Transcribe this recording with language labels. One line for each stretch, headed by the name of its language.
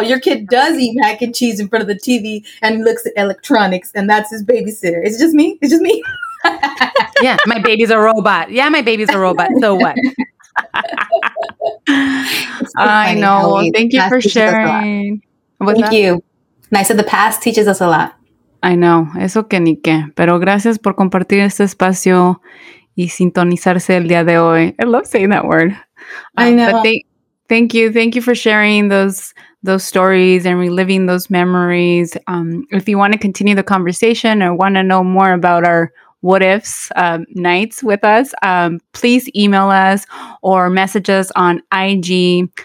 English: Your kid does eat mac and cheese in front of the TV and looks at electronics, and that's his babysitter. Is it just me? It's just me? Yeah, my baby's a robot. Yeah, my baby's a robot. So what? So I know. Thank you for sharing. Thank you. And I said the past teaches us a lot. I know,
Spanish: eso que ni que. Pero gracias por compartir este espacio y sintonizarse el día de hoy.
English: I love saying that word. I know. Thank you. Thank you for sharing those stories and reliving those memories. If you want to continue the conversation or want to know more about our what ifs nights with us, please email us or message us on IG.